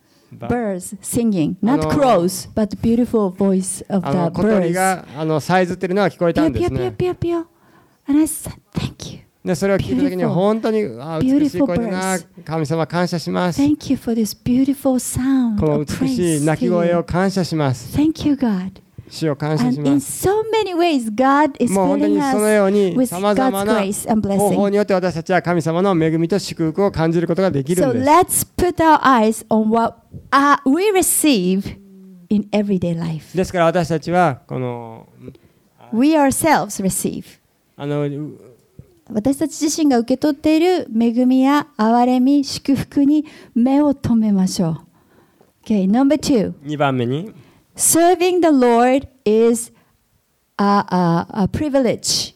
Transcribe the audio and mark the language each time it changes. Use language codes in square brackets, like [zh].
[en] Birds singing, not crows, but beautiful voice of the birds. [ja] 小鳥があのさえずってるのが聞こえたんですね。 [en] ピュピュピュピュピュ。And I said, thank you. [ja] でそれを聞いた時に本当に美しい声だな、神様感謝します、 [en] Thank you for this beautiful sound of praise. [ja] この美しい鳴き声を感謝します、 [en] Thank you God. [ja] 主を感謝します。 [en] And in so many ways God is filling us with God's grace and blessing. [ja] 方法によって私たちは神様の恵みと祝福を感じることができるんです。 [en] So let's put our eyes on what we receive in everyday life. [ja] ですから私たちはこの [en] We ourselves receive. [ja] 私たち自身が受け取っている恵みや憐れみ、祝福に目を留めましょう。 [en] Okay, number two. [ja] 二番目に。 [en] Serving the Lord is a privilege.